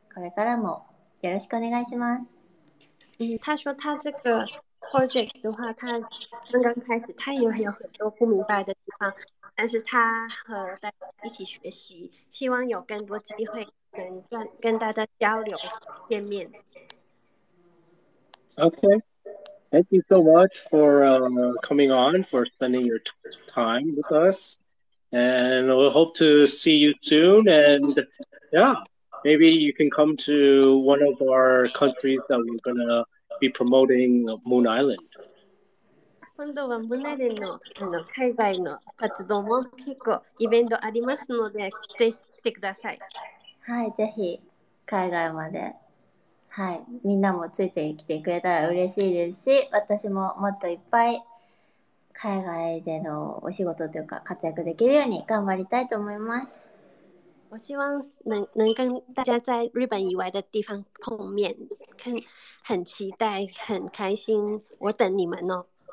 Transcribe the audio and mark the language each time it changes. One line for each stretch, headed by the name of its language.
Japanese: これからもよろしくお願いします。
Chinese: 嗯，他说他这个 project 的话，他刚刚开始，他也有很多不明白的地方，但是他和大家一起学习，希望有更多机会能跟大家交流见面。
English: Okay, thank you so much for coming on, for spending your time with us, and we'll hope to see you soon, and yeah, maybe you can come to one of our countries that we're going to be promoting, Moon Island.
Japanese: 今度は Moon Island の、海外の活動も結構イベントありますので、ぜひ来てください。はい、ぜひ海外まで。はい、みんなもついてきてくれたら嬉しいですし、私ももっといっぱい海外でのお仕事というか活躍できるように頑張りたいと思います。
Chinese: 我希望 能跟大家在日本以外的地方碰面，很期待，很开心，我等你们哦。